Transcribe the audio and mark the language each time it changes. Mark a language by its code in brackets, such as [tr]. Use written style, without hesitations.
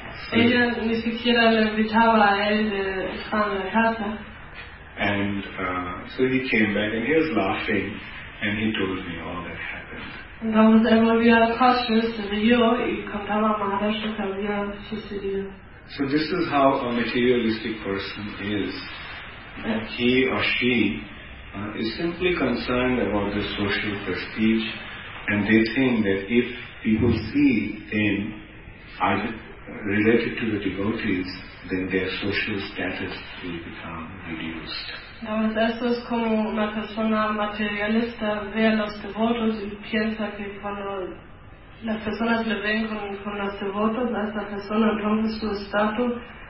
[es] So ella ni siquiera le invitaba a él de estar en la casa. [en] And so he came back and he was laughing. And he told me all that happened. [es] Entonces él volvió al coche, se rió y contaba a Maharaj lo que había sucedido. [en] So this is how a materialistic person is. He or she is simply concerned about the social prestige, and they think that if people see them as related to the devotees, then their social status will become reduced. [es] Entonces esto es como una persona materialista ve a los devotos y piensa que cuando las personas le ven con los devotos a esta persona, entonces su estatus